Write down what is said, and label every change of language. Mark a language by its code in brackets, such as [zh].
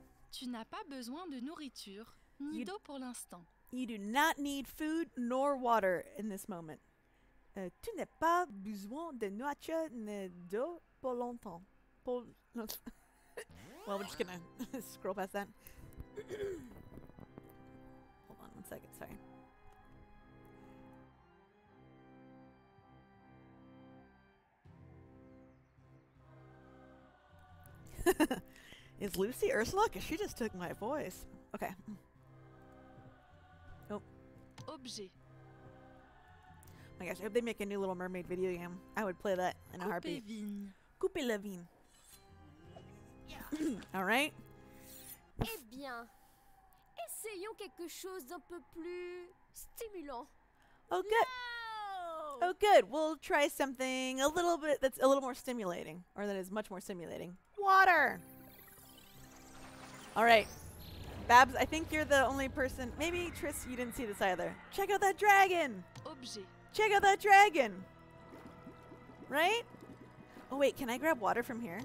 [fr] Tu n'as pas besoin de nourriture ni d'eau pour l'instant. [en] You do not need food nor water in this moment. [fr] Tu n'as pas besoin de nourriture ni d'eau pour longtemps. [en] Well, we're just gonna scroll past that. Hold on one second, sorry. Is Lucy Ursula? Cause she just took my voice. Okay. Oh. [fr] Objet. [en] My gosh, I hope they make a new Little Mermaid video game. I would play that in a heartbeat. [fr] Coupez vigne. Coupez la vigne. [en] Yeah. All right. [fr] Eh bien, essayons quelque chose d'un peu plus stimulant. [en] Oh good. No! Oh good. We'll try something a little bit that's a little more stimulating, or that is much more stimulating. Water. All right. Babs, I think you're the only person. Maybe Tris, you didn't see this either. Check out that dragon. [fr] Objet. [en] Check out that dragon. Right? Oh wait, can I grab water from here?